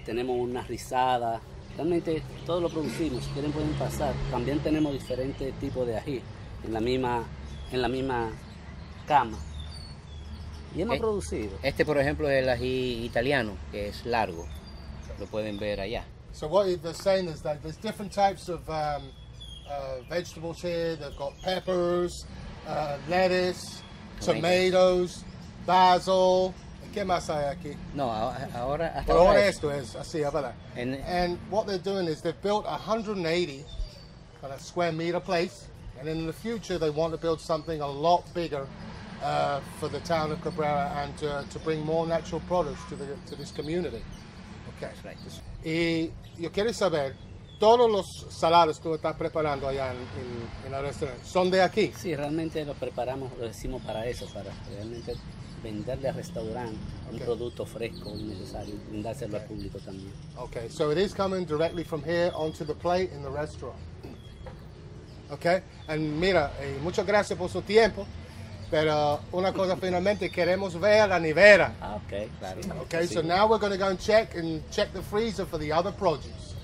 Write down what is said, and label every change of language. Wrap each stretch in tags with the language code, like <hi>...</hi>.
<es>tenemos una rizada. Realmente todo lo producimos, si quieren pueden pasar. También tenemos diferentes tipos de ají en la misma cama. Y hemos producido. Este, por ejemplo, es el ají italiano, que es largo. Lo pueden ver allá.</es> <en>So what you're saying is that there's different types of vegetables here. They've got peppers, lettuce, tomatoes, basil.</en> <es>¿Qué más hay aquí? No, ahora hasta pero ahora hay... esto es así, a ver.</es> <en>And what they're doing is they've built 180 kind of square meter place. And in the future, they want to build something a lot bigger for the town of Cabrera and to bring more natural products to this community. Okay. That's right.</en> <es>Y yo quiero saber, todos los salados que estás preparando allá en el restaurante son de aquí. Sí, realmente los preparamos, lo decimos para eso, para realmente venderle al restaurante un producto fresco necesario, brindárselo al público también.</es> <en>Okay, so it is coming directly from here onto the plate in the restaurant. Okay, and</en> <es>mira, muchas gracias por su tiempo. Pero una cosa finalmente, queremos ver la nevera. Okay, claro.</es> <en>Okay, so now we're going to go and check the freezer for the other produce.</en>